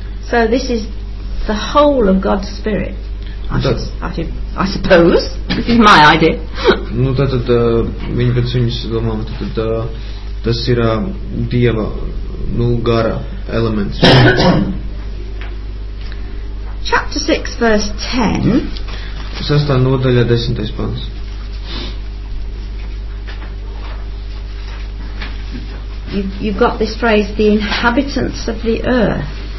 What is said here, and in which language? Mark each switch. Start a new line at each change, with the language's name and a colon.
English: So this is the whole of God's spirit. I suppose, this is my idea.
Latvian: Nu, tātad, viņi pēc viņas domā, tātad, tas ir Dieva, nu, gara elements.
English: Chapter 6, verse 10.
Latvian: Sestā nodaļa, desmitais pants.
English: You've got this phrase, the inhabitants of the earth.